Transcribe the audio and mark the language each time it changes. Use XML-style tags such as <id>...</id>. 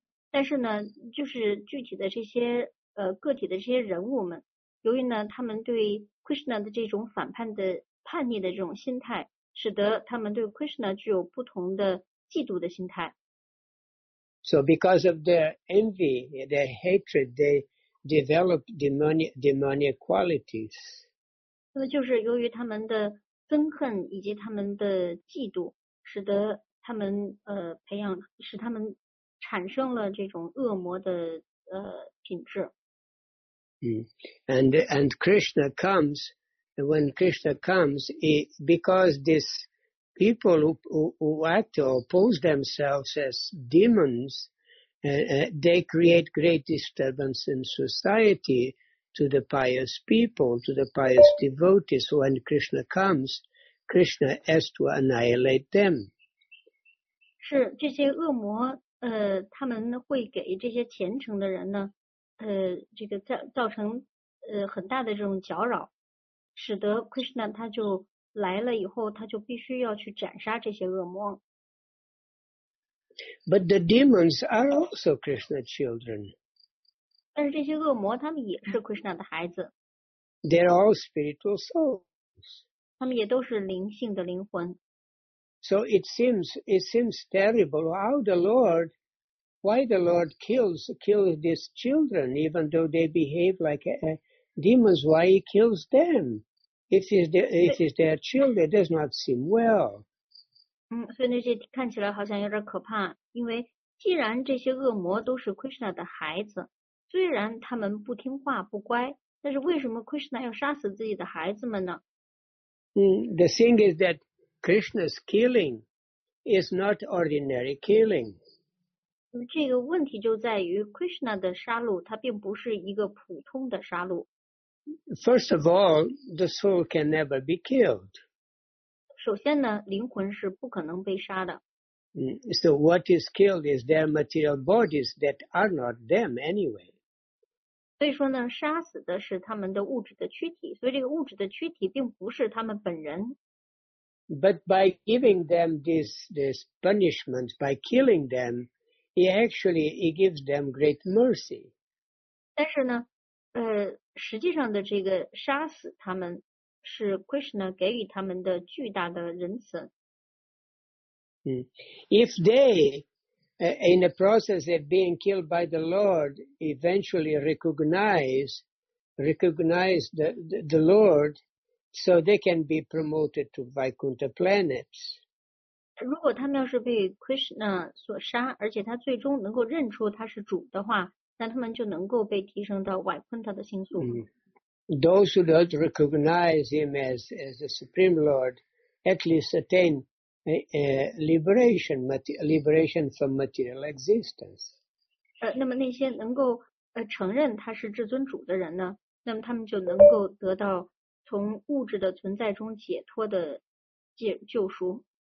<zh>但是呢，就是具体的这些个体的这些人物们，由于呢他们对 Krishna 的这种反叛的叛逆的这种心态，使得他们对 Krishna 具有不同的嫉妒的心态。</zh> <en>So because of their envy, their hatred, they develop demonic qualities.</en> <zh>那就是由于他们的憎恨以及他们的嫉妒，使得他们培养，使他们产生了这种恶魔的品质。</zh> <en>And Krishna comes, when Krishna comes, because this people who act or oppose themselves as demons, they create great disturbance in society to the pious people, to the pious devotees. So when Krishna comes, Krishna has to annihilate them.</en> <zh>是这些恶魔，他们会给这些虔诚的人呢，这个造成很大的这种搅扰，使得 Krishna 他就来了以后，他就必须要去斩杀这些恶魔。</zh> <en>But the demons are also Krishna's children.</en> <zh>但是这些恶魔他们也是 Krishna 的孩子。</zh> <en>They're all spiritual souls.</en> <zh>他们也都是灵性的灵魂。</zh> <en>So it seems terrible how the Lord kills these children, even though they behave like demons. Why he kills them? If it's their children, it does not seem well.</en> <zh>所以那些看起来好像有点可怕，因为既然这些恶魔都是 Krishna 的孩子，虽然他们不听话不乖，但是为什么 Krishna 要杀死自己的孩子们呢？</zh> <en>The thing is that Krishna's killing is not ordinary killing.</en> <zh>这个问题就在于 Krishna 的杀戮，它并不是一个普通的杀戮。</zh> <en>First of all, the soul can never be killed.</en> <zh>首先呢，灵魂是不可能被杀的。</zh> <en>So what is killed is their material bodies that are not them anyway.</en> <zh>所以说呢，杀死的是他们的物质的躯体，所以这个物质的躯体并不是他们本人。</zh> <en>But by giving them this punishment, by killing them, he gives them great mercy.</en> <zh>但是呢，实际上的这个杀死他们是 Krishna 给予他们的巨大的仁慈。</zh> <en>If they, in the process of being killed by the Lord, eventually recognize the Lord, so they can be promoted to Vaikuntha planets.</en> <zh>如果他们要是被 Krishna 所杀，而且他最终能够认出他是主的话，那他们就能够被提升到瓦昆塔的星宿。</zh> <en>Those who don't recognize him as the Supreme Lord at least attain liberation from material existence.</en> <zh>那么那些能够承认他是至尊主的人呢，那么他们就能够得到从物质的存在中解脱的救赎。</zh>